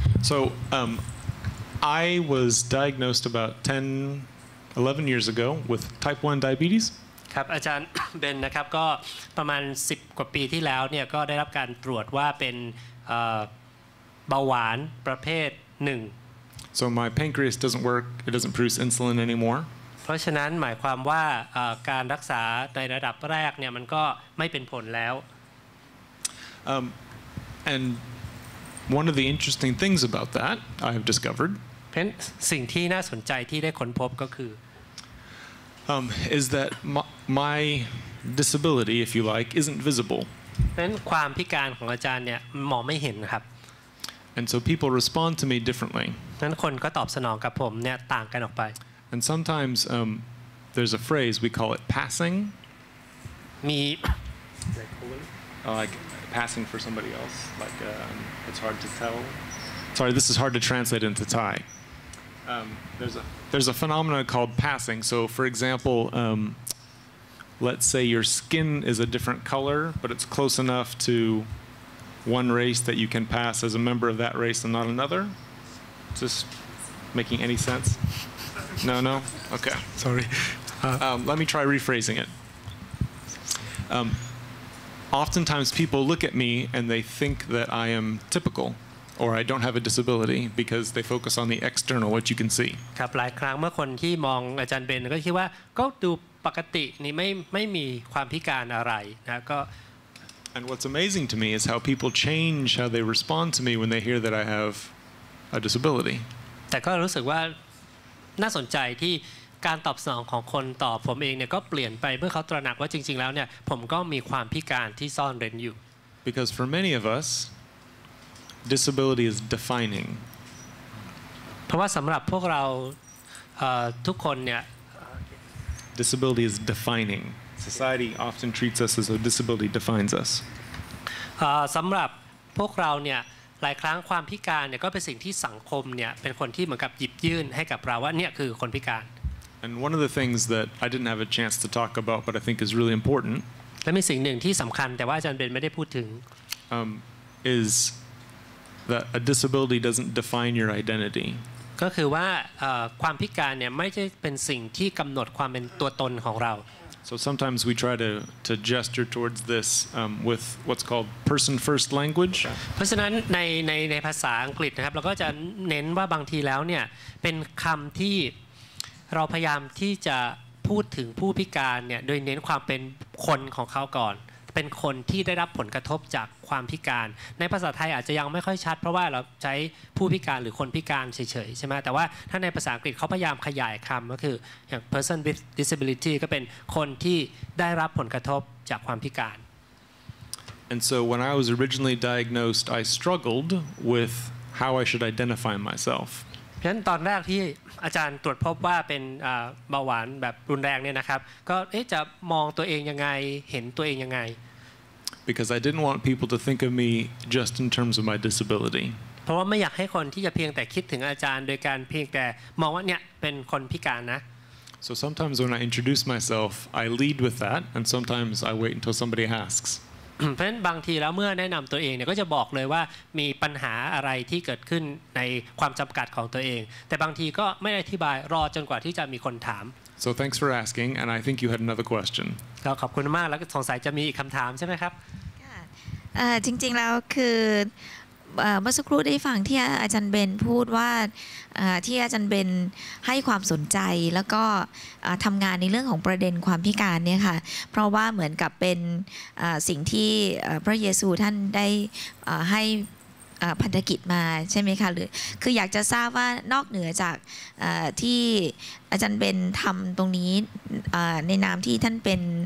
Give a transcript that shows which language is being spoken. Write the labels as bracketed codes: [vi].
[en] So, I was diagnosed about 10, 11 years ago with type 1 diabetes. [th] ครับอาจารย์เบนนะครับก็ประมาณ10กว่าปีที่แล้วเนี่ยก็ได้รับการตรวจว่าเป็นเบาหวานประเภท1 [en] So my pancreas doesn't work. It doesn't produce insulin anymore. [th] เพราะฉะนั้นหมายความว่าการรักษาในระดับแรกเนี่ยมันก็ไม่เป็นผลแล้ว [en] and one of the interesting things about that I have discovered [th] สิ่งที่น่าสนใจที่ได้ค้นพบก็คือ [en] is that my disability if you like isn't visible [th] เพราะฉะนั้นความพิการของอาจารย์เนี่ยมองไม่เห็นครับ [en] and so people respond to me differently [th] นั้นคนก็ตอบสนองกับผมเนี่ยต่างกันออกไป [en] And sometimes there's a phrase we call it passing. Me. Like passing for somebody else. Like it's hard to tell. Sorry, this is hard to translate into Thai. There's a phenomenon called passing. So, for example, let's say your skin is a different color, but it's close enough to one race that you can pass as a member of that race and not another. Just making any sense? No. Okay. Sorry. Let me try rephrasing it. Oftentimes, people look at me and they think that I am typical, or I don't have a disability because they focus on the external, what you can see. [th] ครับหลายครั้งเมื่อคนที่มองอาจารย์เบนก็คิดว่าก็ดูปกตินี่ไม่มีความพิการอะไรนะก็ [en] And what's amazing to me is how people change how they respond to me when they hear that I have a disability. [th] แต่ก็รู้สึกว่าน่าสนใจที่การตอบสนองของคนต่อผมเองเนี่ยก็เปลี่ยนไปเมื่อเขาตระหนักว่าจริงๆแล้วเนี่ยผมก็มีความพิการที่ซ่อนเร้นอยู่ [en] Because for many of us disability is defining [th] เพราะว่าสำหรับพวกเราทุกคนเนี่ย [en] disability is defining society often treats us as a disability defines us [th] สำหรับพวกเราเนี่ยหลายครั้งความพิการเนี่ยก็เป็นสิ่งที่สังคมเนี่ยเป็นคนที่เหมือนกับหยิบยื่นให้กับเราว่าเนี่ยคือคนพิการ [en] And one of the things that I didn't have a chance to talk about but I think is really important [th] และมีสิ่งหนึ่งที่สำคัญแต่ว่าอาจารย์เบนไม่ได้พูดถึง [en] is that a disability doesn't define your identity [th] ก็คือว่าความพิการเนี่ยไม่ใช่เป็นสิ่งที่กำหนดความเป็นตัวตนของเรา [en] So sometimes we try to gesture towards this with what's called person first language. [th] เพราะฉะนั้นในภาษาอังกฤษนะครับเราก็จะเน้นว่าบางทีแล้วเนี่ยเป็นคำที่เราพยายามที่จะพูดถึงผู้พิการเนี่ยโดยเน้นความเป็นคนของเขาก่อน เป็นคนที่ได้รับผลกระทบจากความพิการในภาษาไทยอาจจะยังไม่ค่อยชัดเพราะว่าเราใช้ผู้พิการหรือคนพิการเฉยๆใช่ไหมแต่ว่าถ้าในภาษาอังกฤษเขาพยายามขยายคำก็คืออย่าง [en] person with disability [th] ก็เป็นคนที่ได้รับผลกระทบจากความพิการ [en] and so when I was originally diagnosed I struggled with how I should identify myself [th] เพราะฉะนั้นตอนแรกที่อาจารย์ตรวจพบว่าเป็นเบาหวานแบบรุนแรงเนี่ยนะครับก็จะมองตัวเองยังไงเห็นตัวเองยังไง [en] Because I didn't want people to think of me just in terms of my disability [th] เพราะว่าไม่อยากให้คนที่จะเพียงแต่คิดถึงอาจารย์โดยการเพียงแต่มองว่าเนี่ยเป็นคนพิการนะ [en] So sometimes when I introduce myself I lead with that and sometimes I wait until somebody asks [th] เพราะฉะนั้นบางทีแล้วเมื่อแนะนำตัวเองเนี่ยก็จะบอกเลยว่ามีปัญหาอะไรที่เกิดขึ้นในความจำกัดของตัวเองแต่บางทีก็ไม่อธิบายรอจนกว่าที่จะมีคนถาม [en] So thanks for asking and I think you had another question [th] ก็ขอบคุณมากแล้วสงสัยจะมีอีกคำถามใช่ไหมครับ จริงๆแล้วคือเมื่อสักครู่ได้ฟังที่อาจารย์เบนพูดว่าที่อาจารย์เบนให้ความสนใจแล้วก็ทำงานในเรื่องของประเด็นความพิการเนี่ยค่ะเพราะว่าเหมือนกับเป็นสิ่งที่พระเยซูท่านได้ให้พันธกิจมาใช่ไหมคะหรือคืออยากจะทราบว่านอกเหนือจากที่อาจารย์เบนทำตรงนี้ในนามที่ท่านเป็น